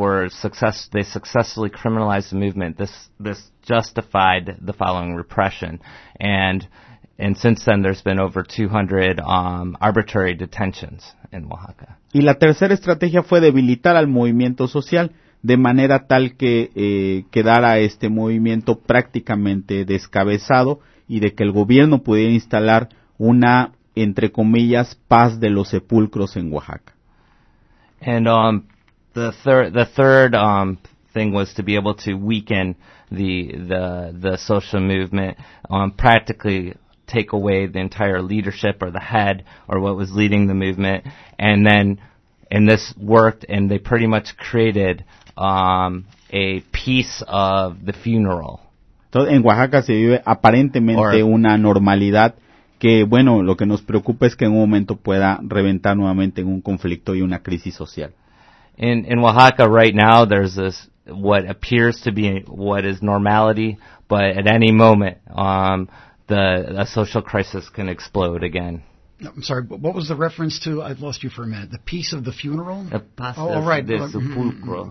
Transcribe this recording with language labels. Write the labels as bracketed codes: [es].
[en] And after they successfully criminalized the movement, this justified the following repression. And since then, there's been over 200 arbitrary detentions in Oaxaca. [es] Y la tercera estrategia fue debilitar al movimiento social de manera tal que quedara este movimiento prácticamente descabezado y de que el gobierno pudiera instalar una, entre comillas, paz de los sepulcros en Oaxaca. [en] And the third thing was to be able to weaken the social movement, practically take away the entire leadership or the head or what was leading the movement, and this worked, and they pretty much created a piece of the funeral. [es] Entonces, en Oaxaca se vive aparentemente una normalidad que, bueno, lo que nos preocupa es que en un momento pueda reventar nuevamente en un conflicto y una crisis social. [en] In Oaxaca right now there's this what appears to be what is normality, but at any moment a social crisis can explode again. No, I'm sorry, what was the reference to? I've lost you for a minute. The piece of the funeral? The pasta de sepulcro. Mm-hmm.